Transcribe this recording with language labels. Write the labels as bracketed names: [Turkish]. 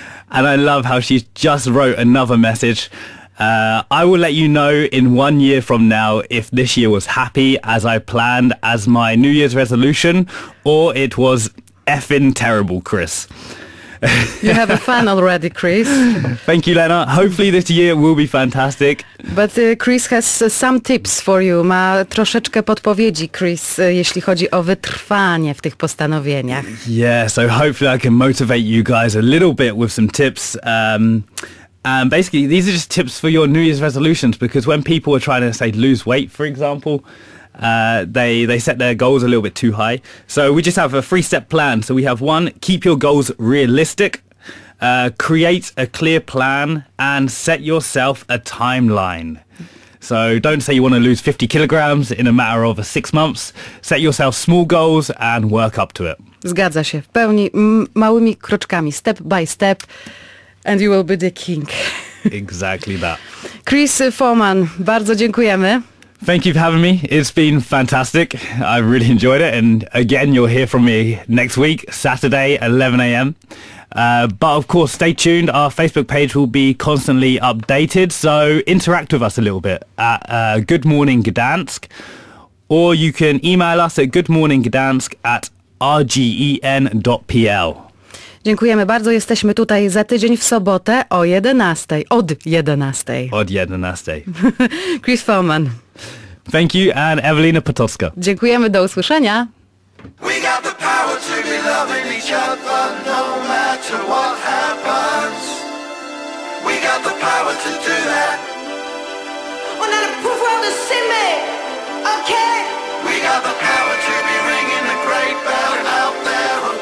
[English] And I love how she just wrote another message. I will let you know in 1 year from now if this year was happy as I planned as my New Year's resolution, or it was effing terrible, Chris. You have a fan already, Chris. Thank you, Lena. Hopefully this year will be fantastic. But Chris has some tips for you. [Polish] Ma troszeczkę podpowiedzi, Chris, jeśli chodzi o wytrwanie w tych postanowieniach. [English] Yeah, so hopefully I can motivate you guys a little bit with some tips. And basically, these are just tips for your New Year's resolutions, because when people are trying to, say, lose weight, for example, they set their goals a little bit too high. So we just have a three-step plan. So we have one, keep your goals realistic, create a clear plan, and set yourself a timeline. So don't say you want to lose 50 kilograms in a matter of 6 months. Set yourself small goals and work up to it. [Polish] Zgadza się. W pełni małymi kroczkami, [English] step by step. And you will be the king. Exactly that. [Polish] Chris Foreman, bardzo dziękujemy. [English] Thank you for having me. It's been fantastic. I really enjoyed it. And again, you'll hear from me next week, Saturday, 11 a.m. But of course, stay tuned. Our Facebook page will be constantly updated. So interact with us a little bit at Good Morning Gdansk. Or you can email us at goodmorninggdansk@rgen.pl. [Polish] Dziękujemy bardzo. Jesteśmy tutaj za tydzień w sobotę o 11. Od 11. Od 11. Chris Foreman. [English] Thank you, and Evelina Potocka. [Polish] Dziękujemy, do usłyszenia. [English] We got the power to be loving each other no matter what happens. We got the power to do that. We're not a proof world to see me. Okay. We got the power to be ringing the great bell out there.